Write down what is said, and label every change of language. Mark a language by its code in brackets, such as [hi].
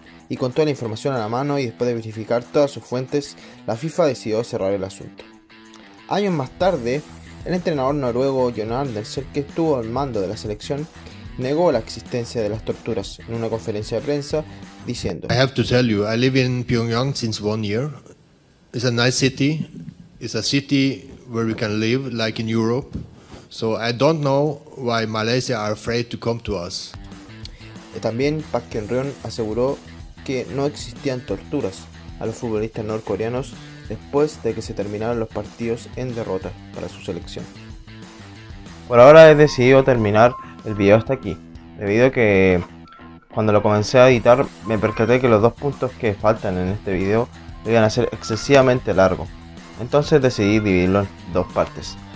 [es] Y con toda la información a la mano y después de verificar todas sus fuentes, la FIFA decidió cerrar el asunto. Años más tarde, el entrenador noruego John Andersen, que estuvo al mando de la selección, negó la existencia de las torturas en una conferencia de prensa, diciendo: [en] I have to tell you, I live in Pyongyang since 1 year. It's a nice city. It's a city where we can live like in Europe. So I don't know why Malaysia are afraid to come to us. [es] También Park Geun-ryeon aseguró que no existían torturas a los futbolistas norcoreanos después de que se terminaran los partidos en derrota para su selección. Por ahora he decidido terminar el video hasta aquí, debido a que cuando lo comencé a editar me percaté que los 2 puntos que faltan en este video iban a ser excesivamente largos, entonces decidí dividirlo en 2 partes.